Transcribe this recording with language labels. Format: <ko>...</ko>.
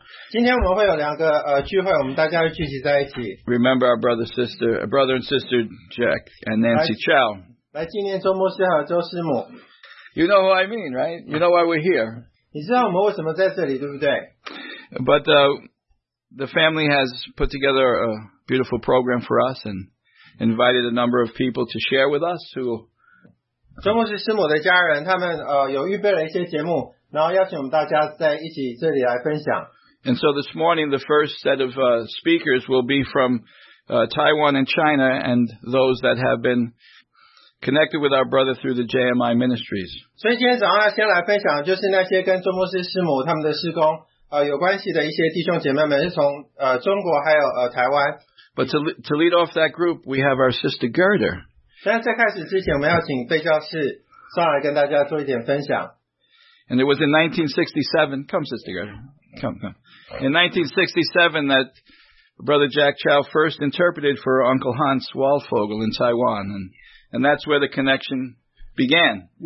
<zh>今天我们会有两个, 聚会, 我们大家会聚集在一起,</zh> <en>remember our brother and sister Jack and Nancy Chow.</en> <zh>来纪念周牧师和周师母.</zh> <en>You know what I mean, right? You know why we're here.</en> <zh>你知道我们为什么在这里,</zh> <en>but the family has put together a beautiful program for us and invited a number of people to share with us who</en> <zh>周牧师师母的家人, 他们, 有预备了一些节目, 然后邀请我们大家在一起这里来分享。</zh> <en>And so this morning, the first set of speakers will be from Taiwan and China and those that have been connected with our brother through the JMI ministries.</en> <zh>所以今天早上要先来分享就是那些跟周牧师师母他们的施工, 有关系的一些弟兄姐妹们, 是从, 中国还有, 台湾。</zh> <en>But to lead off that group, we have our sister Gerda.</en> <zh>但在开始之前，我们要请贝教士上来跟大家做一点分享。</zh> <en>And it was in 1967. Come, Sister Gerda. Come. In 1967, that Brother Jack Chow first interpreted for Uncle Hans Waldfogel in Taiwan, and that's where the connection began.</en>